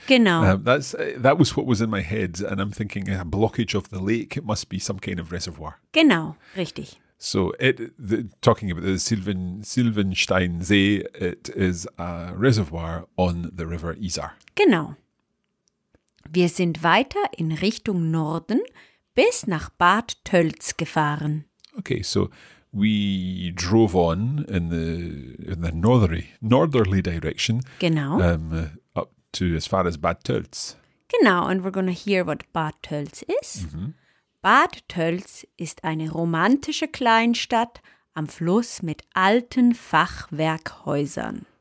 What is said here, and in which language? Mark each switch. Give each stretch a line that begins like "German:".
German: Genau.
English: That was what was in my head, and I'm thinking a blockage of the lake. It must be some kind of reservoir.
German: Genau, richtig.
English: So talking about the Silvensteinsee, it is a reservoir on the river Isar.
German: Genau. Wir sind weiter in Richtung Norden bis nach Bad Tölz gefahren.
English: Okay, so we drove on in the northerly direction.
German: Genau.
English: Up to as far as Bad Tölz. Genau, and we're going to hear what Bad Tölz is. Mm-hmm.
German: Bad Tölz ist eine romantische Kleinstadt am Fluss mit alten Fachwerkhäusern.